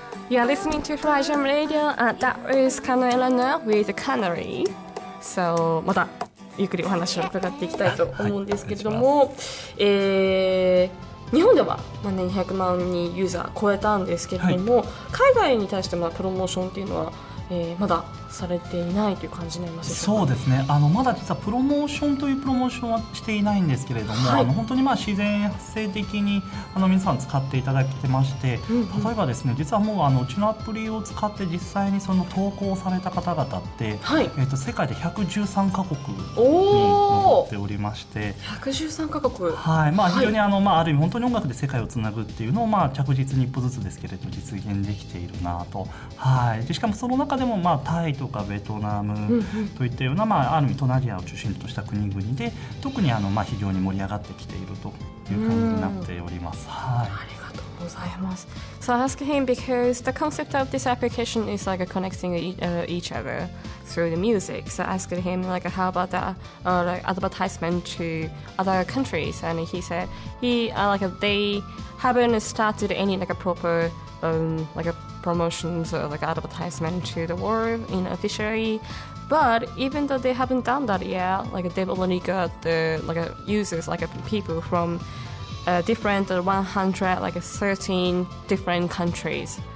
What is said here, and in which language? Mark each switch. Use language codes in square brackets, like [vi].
[en] You are listening to Fly Jam Radio, and that was Kanoe Rana with Canary. [ja] So, またゆっくりお話を伺っていきたいと思うんですけれども、はい、日本では200万人ユーザー超えたんですけれども、はい、海外に対してプロモーションっていうのはまだされていないという感じになりますか。そうですね、まだ実はプロモーションというプロモーションはしていないんですけれども、はい、本当にまあ自然発生的に皆さん使っていただいてまして、うんうん、例えばですね、実はもううちのアプリを使って実際にその投稿された方々って、はい、世界で113カ国に上っておりまして。 113カ国、はい、まあ、非常に、まあ、ある意味本当に音楽で世界をつなぐっていうのを、まあ、着実に一歩ずつですけれど実現できているなと、はい、でしかもその中でも、まあ、タイとかベトナムといったような、うんうん、まあ、ある意味東南アジアを中心とした国々で特に非常に盛り上がってきているという感じになっております。はい、ありがとうございます。 [en] So I ask him because the concept of this application is like connecting each other through the music. So I asked him like how about the advertisement to other countries, and he said they haven't started any proper like a promotions or like advertisement to the world in officially, but even though they haven't done that yet, like they've already got the users, people from different 113 different countries.